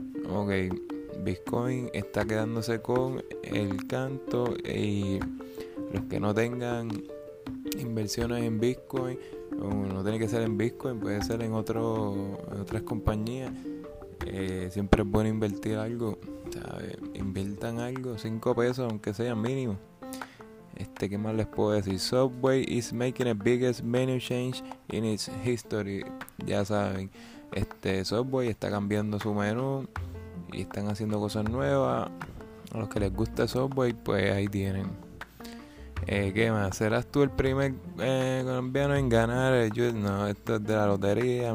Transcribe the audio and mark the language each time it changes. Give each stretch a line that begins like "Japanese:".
Spanish: Ok, Bitcoin está quedándose con el canto y los que no tengan inversiones en Bitcoin, no tiene que ser en Bitcoin, puede ser en otras compañías. Siempre es bueno invertir algo, ¿sabe? Inviertan algo, 5 pesos, aunque sea mínimo. ¿Qué más les puedo decir?
English: Subway is making a biggest menu change in its history.
Spanish: Ya saben, Subway está cambiando su menú y están haciendo cosas nuevas. A los que les gusta Subway, pues ahí tienen. ¿Qué más? ¿Serás tú el primer colombiano en ganar el Yo, no, esto es de la lotería.